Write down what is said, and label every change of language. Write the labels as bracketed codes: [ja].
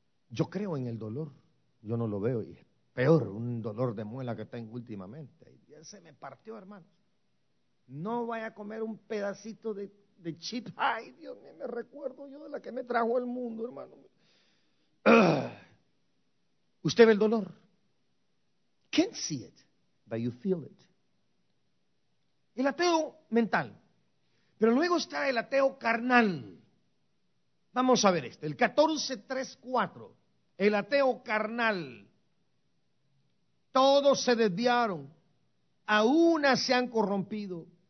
[es] Yo creo en el dolor. Yo no lo veo. Y es peor, un dolor de muela que tengo últimamente. Ya se me partió, hermano. No vaya a comer un pedacito de chip. Ay, Dios mío, me recuerdo yo de la que me trajo el mundo, hermano. Usted ve el dolor. [en] Can't see it, but you feel it. [es] El ateo mental. Pero luego está el ateo carnal. Vamos a ver este. El 14:3-4. El ateo carnal. Todos se desviaron. A una se han corrompido.